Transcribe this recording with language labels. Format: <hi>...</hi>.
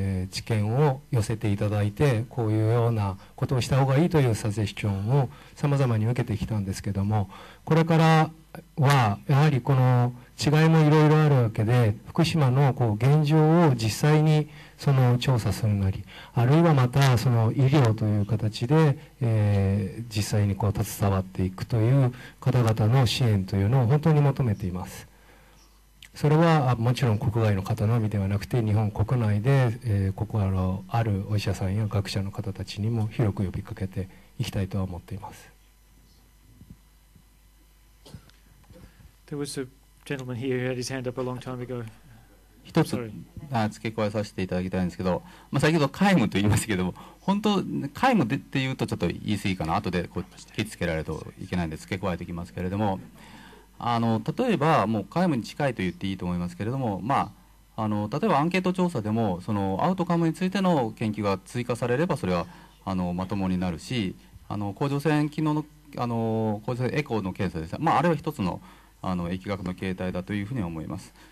<ja>知見を寄せていただいて、こういうようなことをした方がいいというサジェスチョンをさまざまに受けてきたんですけども、これからはやはりこの違いもいろいろあるわけで、福島のこう現状を実際にその調査するなり、あるいはまたその医療という形で、実際にこう携わっていくという方々の支援というのを本当に求めています。それはもちろん国外の方のみではなくて、日本国内で、ここのあるお医者さんや学者の方たちにも広く呼びかけていきたいとは思っています。</ja> <en>There was a gentleman here who had his hand up a long time ago。</en> <ja>一つ付け加えさせていただきたいんですけど、まあ、先ほど皆無と言いましたけども、本当皆無でって言うとちょっと言い過ぎかな、後でこう引きつけられるといけないんで付け加えてきますけれども、例えばもう皆無に近いと言っていいと思いますけれども、まあ、例えばアンケート調査でもそのアウトカムについての研究が追加されれば、それはまともになるし、甲状腺機能の甲状腺エコーの検査です、まあ、あれは一つの疫学の形態だというふうに思います。</ja>